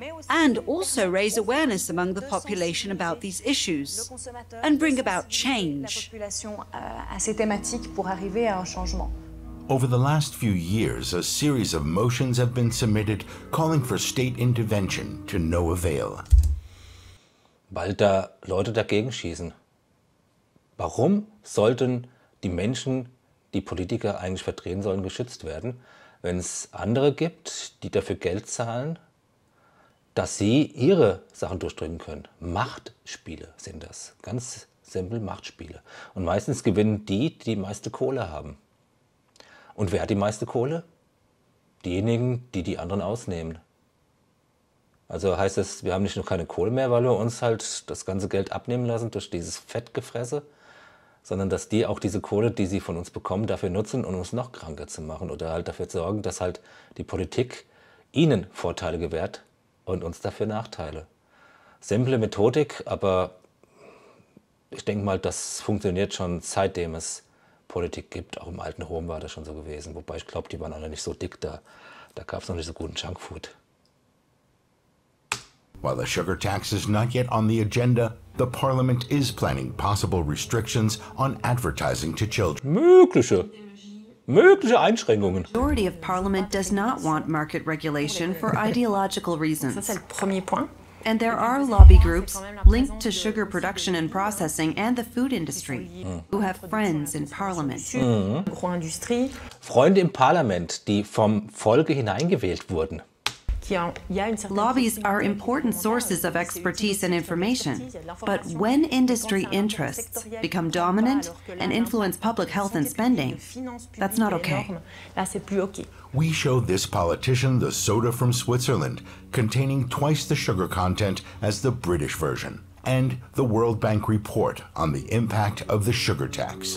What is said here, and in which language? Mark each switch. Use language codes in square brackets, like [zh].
[en] And also raise awareness among the population about these issues and bring about change. Over the last few years, a series of motions have been submitted calling for state intervention to no avail. [de] Weil da Leute dagegen schießen. Warum sollten die Menschen, die Politiker eigentlich vertreten sollen, geschützt werden, wenn es andere gibt, die dafür Geld zahlen? Dass sie ihre Sachen durchdrücken können. Machtspiele sind das. Ganz simpel Machtspiele. Und meistens gewinnen die, die meiste Kohle haben. Und wer hat die meiste Kohle? Diejenigen, die die anderen ausnehmen. Also heißt das, wir haben nicht nur keine Kohle mehr, weil wir uns halt das ganze Geld abnehmen lassen durch dieses Fettgefresse, sondern dass die auch diese Kohle, die sie von uns bekommen, dafür nutzen, um uns noch kranker zu machen oder halt dafür sorgen, dass halt die Politik ihnen Vorteile gewährt und uns dafür Nachteile. Simple Methodik, aber ich denke mal, das funktioniert schon seitdem es Politik gibt. Auch im alten Rom war das schon so gewesen, wobei ich glaube, die waren alle nicht so dick da. Da gab es noch nicht so guten Junkfood. [en] While the sugar tax is not yet on the agenda, the parliament is planning possible restrictions on advertising to children. [de] Mögliche Einschränkungen. [en] The majority of parliament does not want market regulation for ideological reasons. [fr] Ça, c'est le premier point. [en] And there are lobby groups linked to sugar production and processing and the food industry who have friends in parliament. [de] Freunde im Parlament, die vom Volke hineingewählt wurden. [en] Lobbies are important sources of expertise and information, but when industry interests become dominant and influence public health and spending, that's not okay. We showed this politician the soda from Switzerland, containing twice the sugar content as the British version, and the World Bank report on the impact of the sugar tax.